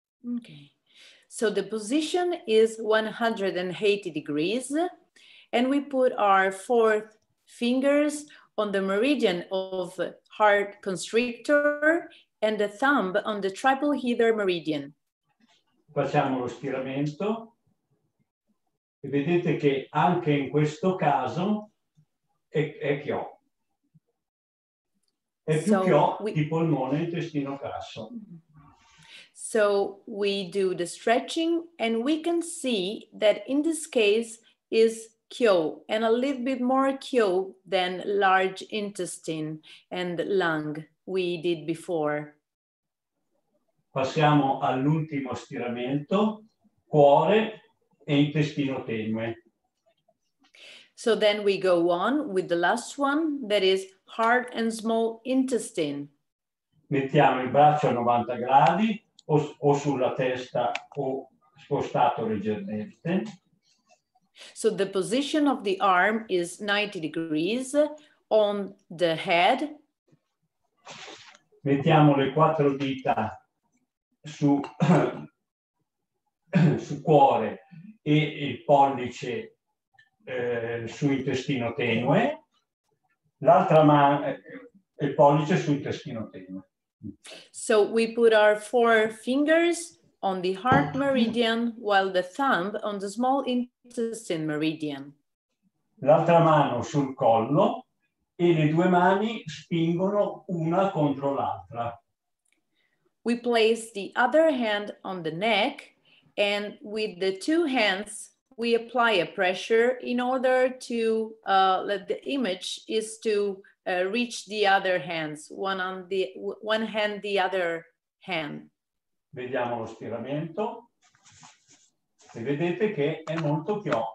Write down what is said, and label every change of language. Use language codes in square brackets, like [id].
[en] Okay. So the position is 180 degrees and we put our fourth fingers on the meridian of heart constrictor and the thumb on the triple header meridian. [it] Facciamo lo stiramento e vedete che anche in questo caso è kyo. È più kyo di polmone e intestino crasso. [en] So we do the stretching and we can see that in this case is kyo and a little bit more kyo than large intestine and lung we did before. [it] Passiamo all'ultimo stiramento, cuore e intestino tenue. [en] So then we go on with the last one, that is heart and small intestine. [it] Mettiamo il braccio a 90 gradi o sulla testa o spostato leggermente. [en] So the position of the arm is 90 degrees on the head. [it] Mettiamo le quattro dita su, su cuore e il pollice su intestino tenue, l'altra mano e il pollice su intestino tenue. [en] So we put our four fingers on the heart meridian while the thumb on the small intestine meridian. [it] L'altra mano sul collo e le due mani spingono una contro l'altra. [en] We place the other hand on the neck and with the two hands we apply a pressure in order to let the image is to reach the other hands, one on the one hand, the other hand. [it] Vediamo lo stiramento e vedete che è molto più.